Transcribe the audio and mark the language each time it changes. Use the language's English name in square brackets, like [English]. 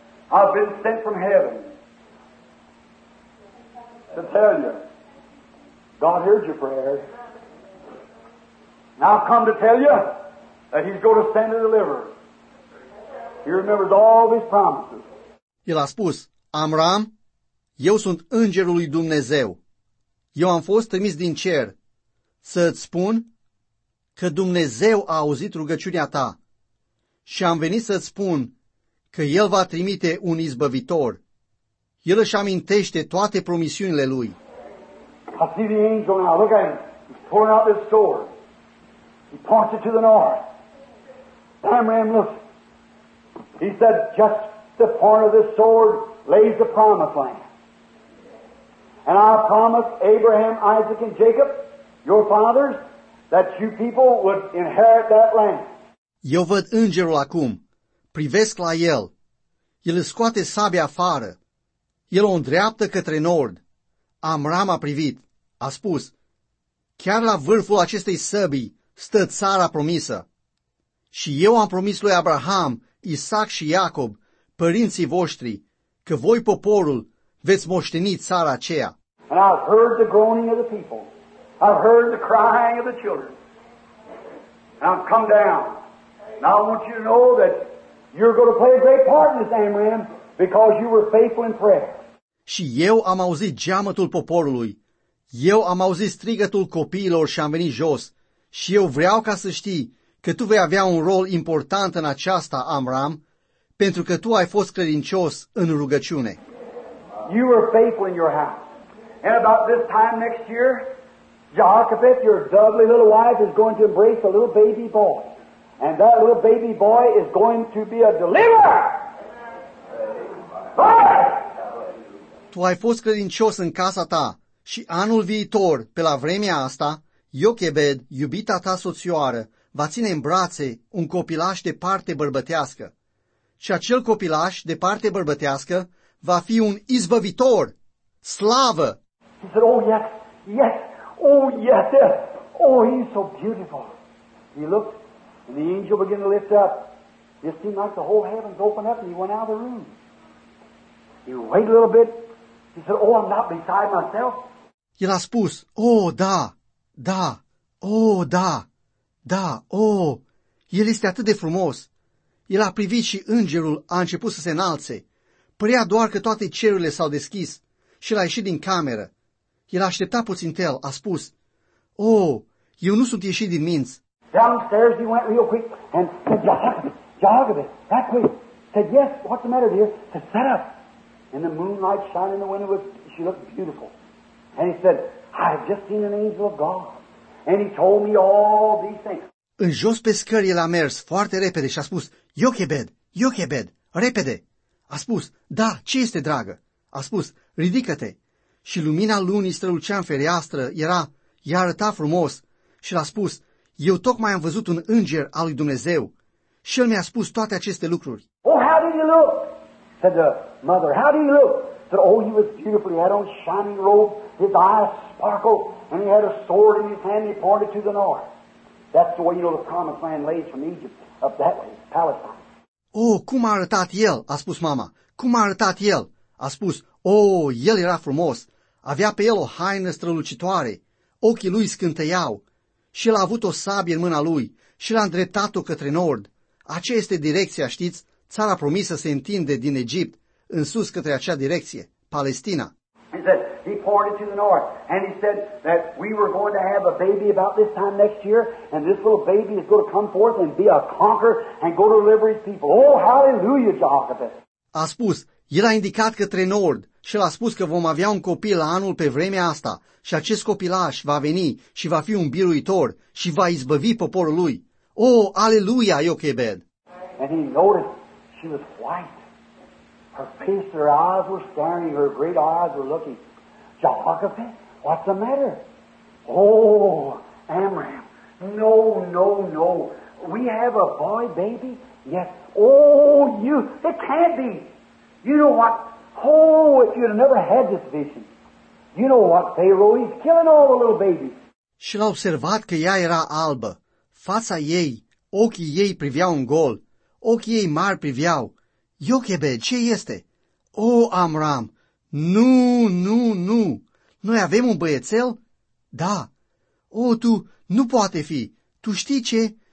[English] I've been sent from heaven to tell you, God heard your prayer. Now I've come to tell you that he's going to send a deliverer. He remembers all of his promises. [Romanian] El a spus, Amram, eu sunt îngerul lui Dumnezeu. Eu am fost trimis din cer să-ți spun că Dumnezeu a auzit rugăciunea ta și am venit să-ți spun că el va trimite un izbăvitor. El își amintește toate promisiunile lui. [English] I see the angel now. Look at him. He's pulling out this sword. He points it to the north. Amram, look. He said, just the point of this sword lays the promised land. And I promised Abraham, Isaac, and Jacob, your fathers, that you people would inherit that land. [Romanian] Eu văd îngerul acum. Privesc la el. El îi scoate sabia afară. El o îndreaptă către nord. Amram a privit. A spus, Chiar la vârful acestei săbii stă țara promisă. Și eu am promis lui Abraham, Isaac și Iacob, părinții voștri, că voi, poporul, veți moșteni țara aceea. [English] And I've heard the groaning of the people. I've heard the crying of the children. Now come down. Now I want you to know that you're going to play a great part in this, Amram, because you were faithful in prayer. [Romanian] Și eu am auzit geamătul poporului. Eu am auzit strigătul copiilor și am venit jos. Și eu vreau ca să știi că tu vei avea un rol important în aceasta, Amram, pentru că tu ai fost credincios în rugăciune. [English] You were faithful in your house. And about this time next year, Jehoshaphat, your lovely little wife, is going to embrace a little baby boy. And that little baby boy is going to be a deliverer! Boy! [Romanian] Tu ai fost credincios în casa ta și anul viitor, pe la vremea asta, Iochebed, iubita ta soțioară, va ține în brațe un copilaș de parte bărbătească. Și acel copilaș de parte bărbătească va fi un izbăvitor. Slavă! [English] He said, oh, yes, yes, oh, yes, yes. Oh, he's so beautiful. He looked, and the angel began to lift up. It seemed like the whole heavens opened up, and he went out of the room. He waited a little bit. He said, oh, I'm not beside myself. [Romanian] El a spus, oh, da, da, oh, da, da, oh, el este atât de frumos. El a privit și îngerul a început să se înalțe. Părea doar că toate cerurile s-au deschis și l-a ieșit din cameră. El aștepta puțin tel, a spus, oh, eu nu sunt ieșit din minți. [English] Downstairs he went real quick and said, Jehoshaphat, that quick. Said, yes, what's the matter, dear? Said, set up. And the moonlight shining in the window, she looked beautiful. And he said, I've just seen an angel of God. And he told me all these things. [Romanian] În jos pe scări el a mers foarte repede și a spus, Iochebed, Iochebed, repede. A spus, da, ce este, dragă? A spus, ridică-te. Și lumina lunii strălucea în fereastră, era, i-a arătat frumos. Și l-a spus, eu tocmai am văzut un înger al lui Dumnezeu. Și el mi-a spus toate aceste lucruri. [English] Oh, how did he look? Said the mother, how did he look? Said, oh, he was beautiful. He had on shining robe, his eyes sparkled, and he had a sword in his hand, he pointed to the north. That's the way you know the promised land lays from Egypt, up that way, Palestine. [Romanian] Oh, cum a arătat el, a spus mama. Cum a arătat el? A spus, oh, el era frumos. Avea pe el o haină strălucitoare. Ochii lui scânteiau. Și el a avut o sabie în mâna lui și l-a îndreptat-o către nord. Aceea este direcția, știți? Țara promisă se întinde din Egipt în sus către acea direcție, Palestina. [English] He said, he pointed to the north and he said that we were going to have a baby about this time next year and this little baby is going to come forth and be a conqueror and go to deliver his people. Oh, hallelujah, Jehoshaphat! [Romanian] A spus, el a indicat către nord și l-a spus că vom avea un copil la anul pe vremea asta și acest copilaș va veni și va fi un biruitor și va izbăvi poporul lui. Oh, aleluia, Iochebed! [English] And he noticed she was white. Her face, her eyes were staring, her great eyes were looking. Jehoshaphat, what's the matter? Oh, Amram, no, no, no. We have a boy baby? Yes. Oh, you, it can't be. You know what? Oh, if you'd have never had this vision. You know what, Pharaoh, he's killing all the little babies. [Romanian] Și l-a observat că ea era albă. Fața ei, ochii ei priveau în gol. Ochii ei mari priveau. Iochebed, ce este? O, Amram, nu, nu, nu. Noi avem un băiețel? Da. O, tu, nu poate fi. Tu știi ce?